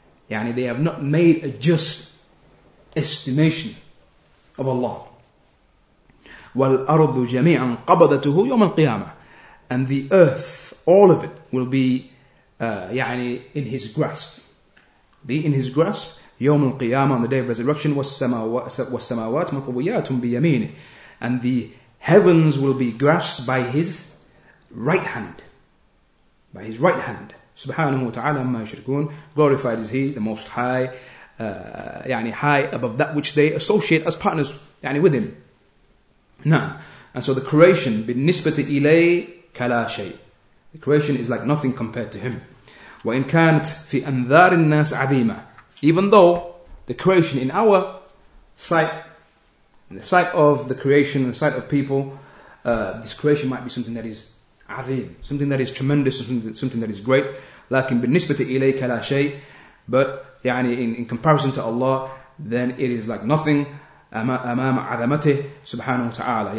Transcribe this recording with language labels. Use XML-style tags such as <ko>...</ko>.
<en>يعني they have not made a just estimation of Allah.</en> <ar>وَالْأَرْضُ جَمِيعًا قَبَضَتُهُ يَوْمَ الْقِيَامَةِ.</ar> <en>And the earth, all of it, will be يعني in his grasp. Be in his grasp.</en> <ar>يوم القيامة,</ar> <en>on the day of resurrection.</en> <ar>والسماوات مطويات بيمينه.</ar> <en>And the heavens will be grasped by his right hand. By his right hand.</en> <ar>سبحانه وتعالى ما يشركون.</ar> <en>Glorified is he, the most high. يعني high above that which they associate as partners يعني with him.</en> <ar>نعم.</ar> <en>And so the creation</en> <ar>بالنسبة إليه كلا شيء.</ar> <en>The creation is like nothing compared to him.</en> <ar>وإن كانت في أنذار الناس عظيمة.</ar> <en>Even though the creation in our sight, in the sight of the creation, in the sight of people, this creation might be something that is عظيم, something that is tremendous, something that is great.</en> <ar>لكن بالنسبة إليك لا شيء.</ar> <en>But يعني in comparison to Allah, then it is like nothing.</en> <ar>أمام عظمته سبحانه وتعالى.</ar>